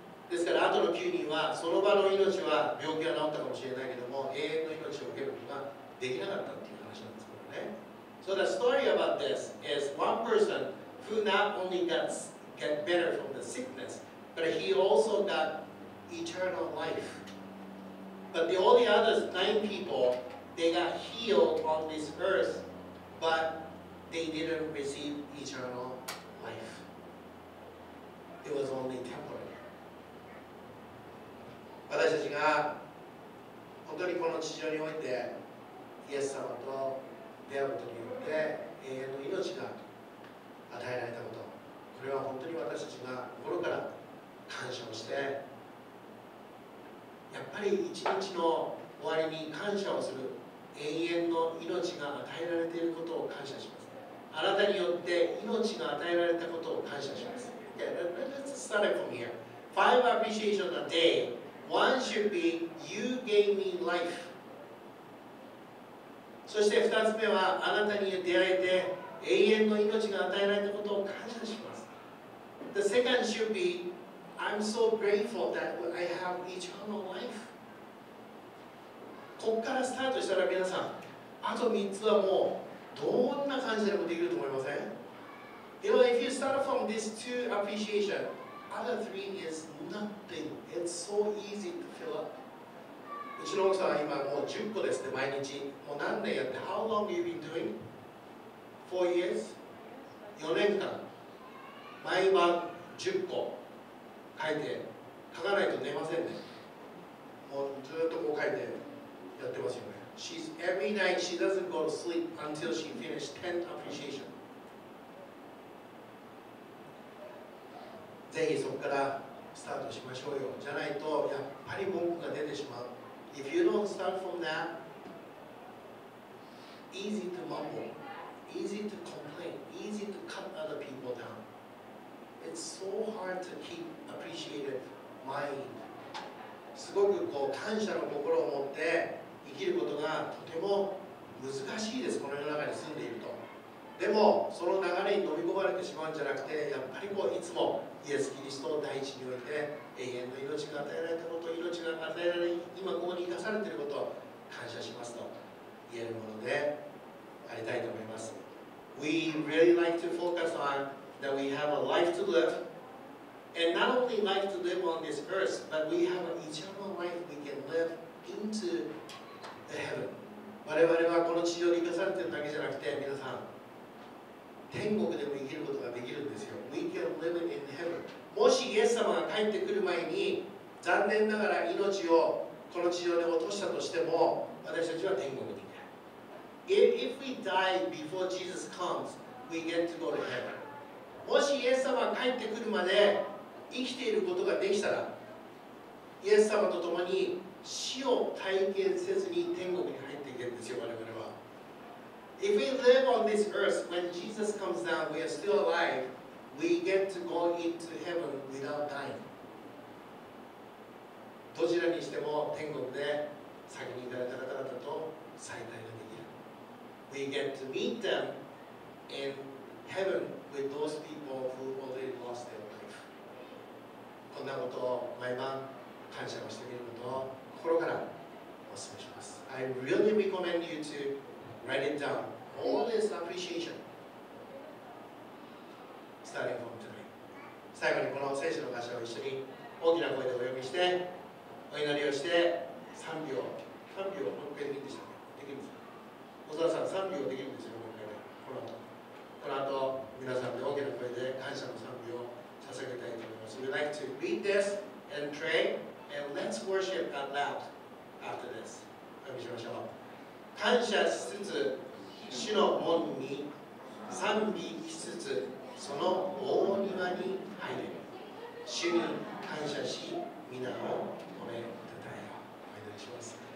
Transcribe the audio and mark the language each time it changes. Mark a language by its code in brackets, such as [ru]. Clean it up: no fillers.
[ja] ですから、あとの9人は、その場の命は、病気は治ったかもしれないけども、永遠の命を受けることができなかったという話なんですけどね。 [en] So the story about this is one person who not only got better from the sickness, but he also got eternal life. But the all the other nine people, they got healed on this earth, but they didn't receive eternal life. It was only temporary. [ja] 私たちが本当にこの地上においてイエス様と出会うことによって永遠の命が与えられたこと、これは本当に私たちが心から感謝をして、やっぱり一日の終わりに感謝をする、永遠の命が与えられていることを感謝します。あなたによって命が与えられたことを感謝します。 [en] Let's start from here. Five appreciation a dayOne should be, you gave me life. [ja] そして二つ目は、あなたに出会えて永遠の命が与えられたことを感謝します。 [en] The second should be, I'm so grateful that I have eternal life. [ja] ここからスタートしたら皆さん、あと三つはもうどんな感じでもできると思いません? [en] You know, if you start from these two appreciation,Other three is nothing. It's so easy to fill up. [ja] うちの奥さんは今もう10個ですね、毎日。もう何年やって、 [en] How long have you been doing? 4 years? [ja] 4年間。毎晩10個書いて、書かないと寝ませんね。もうずっとこう書いてやってますよね。 [en] She's every night she doesn't go to sleep until she finished 10 appreciation. [ja] ぜひそこからスタートしましょうよ。じゃないとやっぱり文句が出てしまう。 [en] If you don't start from that, easy to mumble, easy to complain, easy to cut other people down. It's so hard to keep appreciative mind. [ja] すごくこう感謝の心を持って生きることがとても難しいです。この世の中に住んでいると。でもその流れに飲み込まれてしまうんじゃなくて、やっぱりこういつもイエス・キリストを第一において永遠の命が与えられたこと、命が与えられ、今ここに生かされていることを感謝しますと言えるものでありたいと思います。 [en] We really like to focus on that we have a life to live, and not only life to live on this earth, but we have an eternal life we can live into the heaven. [ja] 我々はこの地上に生かされているだけじゃなくて、皆さん、天国でも生きることができるんですよ。 [en] We can live in heaven. [ja] もしイエス様が帰ってくる前に残念ながら命をこの地上で落としたとしても私たちは天国に行 [en] く。If we die before Jesus comes, we get to go to heaven. [ja] もしイエス様が帰ってくるまで生きていることができたらイエス様と共に死を体験せずに天国に入っていけるんですよ。我々は [en] If we live on this earth, when Jesus comes down, we are still alive, we get to go into heaven without dying. [ja] どちらにしても天国で先に行かれた方々と再会ができる。 [en] We get to meet them in heaven with those people who already lost their life. [ja] こんなことを毎晩感謝をしてみることを心からお勧めします。 [en] I really recommend you to... Write it down. All this appreciation. Starting from tonight. [ja] 最後にこの聖書の箇所を一緒に大きな声でお読みして、お祈りをして、3秒。 3秒、もう一回できるんでしたっけ？できるんですか？小沢さん、3秒できるんですよ、もう一回で。この後。この後、皆さんで大きな声で感謝の3秒を捧げたいと思います。 [en] We'd like to read this and pray, and let's worship God loud after this. [ja] お読みしましょう。感謝しつつ、主の門に賛美しつつ、その大庭に入れ。主に感謝し、皆を褒めたたえよ。お祈りします。